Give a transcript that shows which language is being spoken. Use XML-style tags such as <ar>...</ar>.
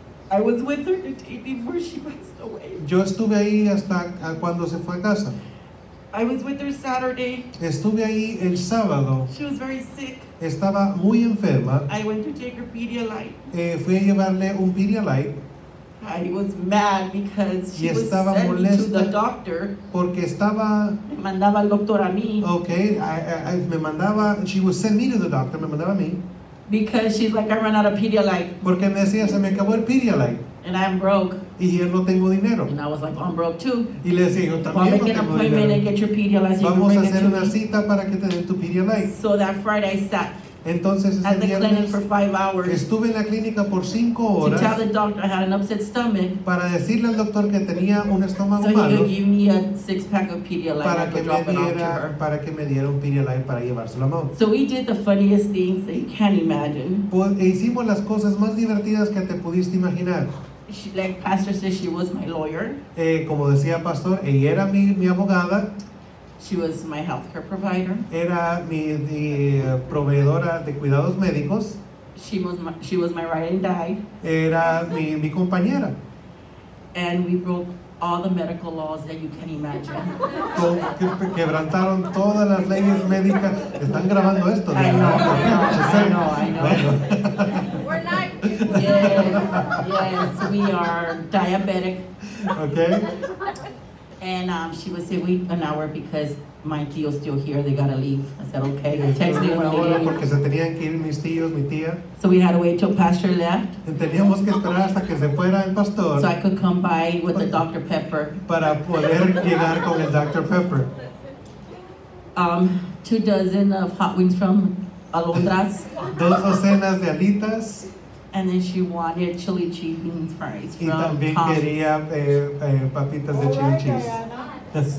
<en>I was with her the day before she passed away.</en> <es>Yo estuve ahí hasta cuando se fue a casa.</es> <en>I was with her Saturday.</en> <es>Estuve ahí el sábado.</es> <en>She was very sick.</en> <es>Estaba muy enferma.</es> <en>I went to take her Pedialyte.</en> <es>Fui a llevarle un Pedialyte.</es> <en>I was mad because she</en> <es>y</es> <en>was</en> <es>estaba</es> <en>sent</en> <es>molesta</es> <en>to the doctor.</en> <es>Porque estaba me mandaba al doctor a mí.</es> <en>Okay, I</en> <es>me mandaba,</es> <en>she was sent me to the doctor,</en> <es>me mandaba a mí.</es> <en>Because she's like, I ran out of Pedialyte.</en> <es>Porque me decía, se me acabó el Pedialyte.</es> <en>And I'm broke.</en> <es>Y yo no tengo dinero.</es> <en>And I was like, well, I'm broke too.</en> <es>Y le decía, yo también no tengo dinero. Vamos a hacer una cita para que te den tu Pedialyte.</es> <en>So that Friday I sat.</en> <es>Entonces,</es> <en>at the clinic for 5 hours.</en> <es>Estuve en la clínica por 5 horas.</es> <en>To tell the doctor I had an upset stomach.</en> <es>Para decirle al doctor que tenía un estómago malo.</es> <en>So he could give me a 6-pack of Pedialyte.</en> <es>Para que me diera, para que me diera un Pedialyte para llevárselo a mamá.</es> <en>So we did the funniest things that you can imagine.</en> <es>Pues, e hicimos las cosas más divertidas que te pudiste imaginar.</es> <en>She, like pastor said, she was my lawyer.</en> <es>Como decía pastor, ella era mi abogada.</es> <en>She was my healthcare provider.</en> <es>Era mi proveedora de cuidados médicos.</es> <en>She was my ride and die.</en> <es>Era mi compañera.</es> <en>And we broke all the medical laws that you can imagine.</en> <es>Quebrantaron todas las leyes médicas. Están grabando esto.</es> <en>I know. Yes, we are diabetic. Okay. And she would say, wait an hour because my tío's still here. They gotta leave. I said, okay. I texted him when they leave.</en> <es>Porque se tenían que ir mis tíos, mi tía.</es> <en>So we had to wait till pastor left.</en> <es>Teníamos que esperar hasta que se fuera el pastor.</es> <en>So I could come by with the Dr. Pepper.</en> <es>Para poder llegar con el Dr. Pepper.</es> <en>2 dozen of hot wings from Alondras.</en> <es>2 docenas de alitas.</es> <en>And then she wanted chili cheese bean fries from</en> <es>Tom's. Y también quería papitas de chili cheese.</es>